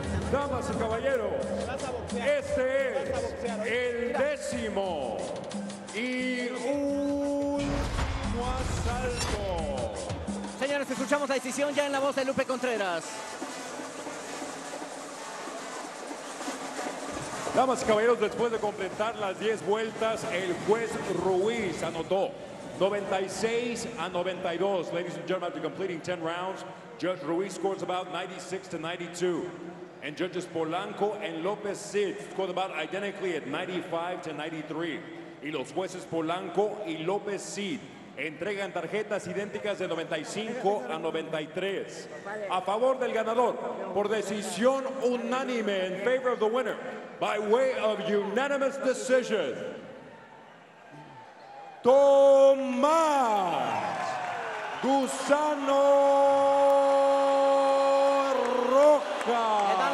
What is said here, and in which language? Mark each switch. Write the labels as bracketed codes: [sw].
[es] Damas y caballeros, este es el décimo y último asalto. Señores, escuchamos la decisión ya en la voz de Lupe Contreras. Damas y caballeros, después de completar las 10 vueltas, el juez Ruiz anotó 96-92. [en] Ladies and gentlemen, after completing 10 rounds, Judge Ruiz scores about 96-92. And judges Polanco and López Cid scored about identically at 95-93. [es] Y los jueces Polanco y López Cid entregan tarjetas idénticas de 95-93. A favor del ganador, por decisión unánime, [en] in favor of the winner, by way of unanimous decision, Tomás Gusano Rojas.